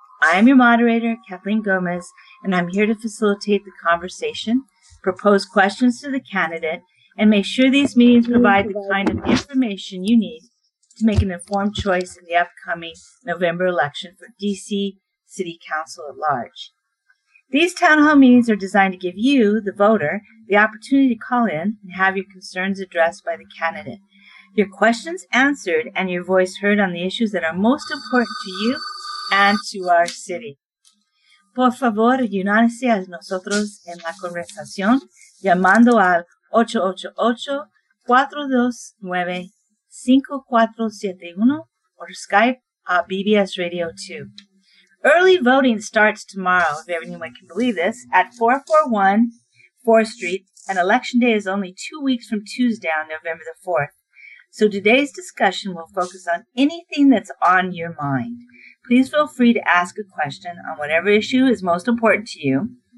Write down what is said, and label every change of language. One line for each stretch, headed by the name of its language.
English: I am your moderator, Kathleen Gomez, and I'm here to facilitate the conversation, propose questions to the candidate, and make sure these meetings provide the kind of information you need to make an informed choice in the upcoming November election for DC City Council at Large. These town hall meetings are designed to give you, the voter, the opportunity to call in and have your concerns addressed by the candidate, your questions answered, and your voice heard on the issues that are most important to you and to our city.
Spanish: Por favor, unanse a nosotros en la conversación llamando al 888-429-5471
English: or Skype at BBS Radio 2. Early voting starts tomorrow, if anyone can believe this, at 441 4th Street, and Election Day is only 2 weeks from Tuesday on November the 4th. So today's discussion will focus on anything that's on your mind. Please feel free to ask a question on whatever issue is most important to you.